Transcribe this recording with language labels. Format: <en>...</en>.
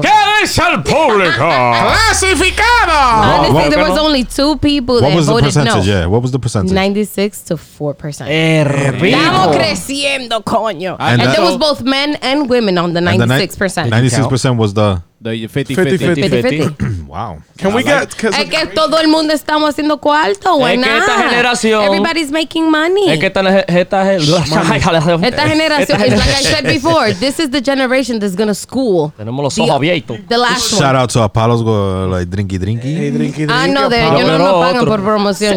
<es>¿Qué dice el público? Clasificado.</es> <en>Honestly, there was only two people that voted no. What was the percentage? Yeah, what was the percentage? 96-4%.</en> <es>Estamos creciendo, coño.</es> <en>And there was both men and women on the 96%. 96% was the... The 50-50. Wow. Can we get...</en> <es>Es que todo el mundo estamos haciendo cuarto.</es> <en>Everybody's making money.</en> <es>Es que esta generación... Esta generación...</es> <en>Like I said before, this is the generation that's going to school.</en> <es>Tenemos los ojos abiertos.</es> <en>The last one. Shout out to Apollo's go like drinky drinky. Hey, drinky drinky.</en> <es>Ah, no, de ellos no me pagan por promoción.</es>